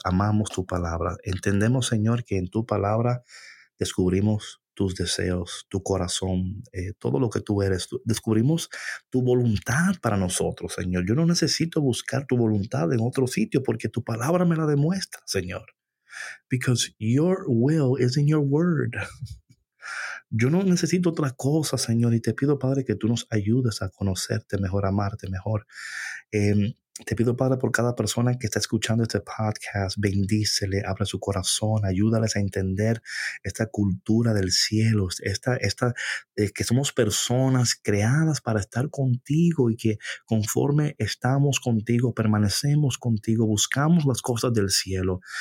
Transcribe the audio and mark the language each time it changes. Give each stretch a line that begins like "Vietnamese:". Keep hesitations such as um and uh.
Spanish: Amamos tu palabra. Entendemos, Señor, que en tu palabra descubrimos tus deseos, tu corazón, eh, todo lo que tú eres. Tú- Descubrimos tu voluntad para nosotros, Señor. Yo no necesito buscar tu voluntad en otro sitio porque tu palabra me la demuestra, Señor.
English: Because your will is in your word.
Spanish: Yo no necesito otra cosa, Señor, y te pido, Padre, que tú nos ayudes a conocerte mejor, amarte mejor. Em, te pido, Padre, por cada persona que está escuchando este podcast, bendícele, abre su corazón, ayúdales a entender esta cultura del cielo, esta, esta, eh, que somos personas creadas para estar contigo y que conforme estamos contigo, permanecemos contigo, buscamos las cosas del cielo.